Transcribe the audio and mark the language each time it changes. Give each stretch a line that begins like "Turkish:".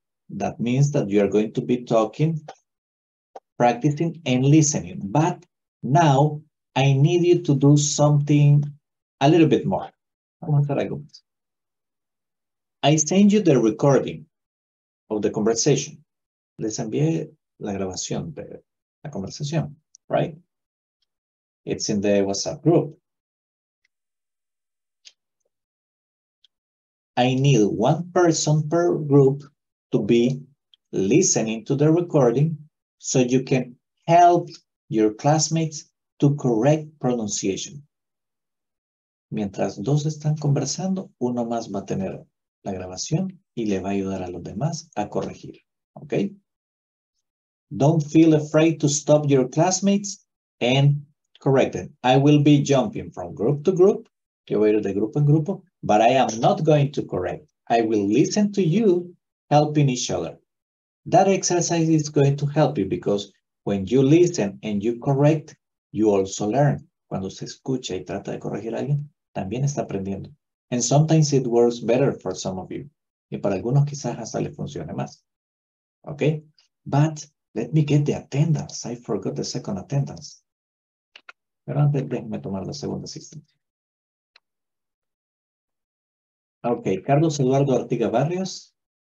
English: That means that you are going to be talking, practicing and listening. But now I need you to do something a little bit more. I send you the recording of the conversation.
Spanish: Les envié la grabación de la conversación,
English: right? It's in the WhatsApp group. I need one person per group to be listening to the recording so you can help your classmates to correct pronunciation.
Spanish: Mientras dos están conversando, uno más va a tener la grabación y le va a ayudar a los demás a corregir, okay?
English: Don't feel afraid to stop your classmates and correct them. I will be jumping from group to group,
Spanish: yo voy a ir de grupo en grupo,
English: but I am not going to correct. I will listen to you helping each other. That exercise is going to help you because when you listen and you correct, you also learn.
Spanish: Cuando se escucha y trata de corregir a alguien, también está aprendiendo.
English: And sometimes it works better for some of you.
Spanish: Y para algunos quizás hasta le funcione más.
English: Okay? But let me get the attendance. I forgot the second attendance.
Spanish: Pero antes déjeme tomar la segunda asistencia.
English: Okay, Carlos Eduardo Artiga Barrios.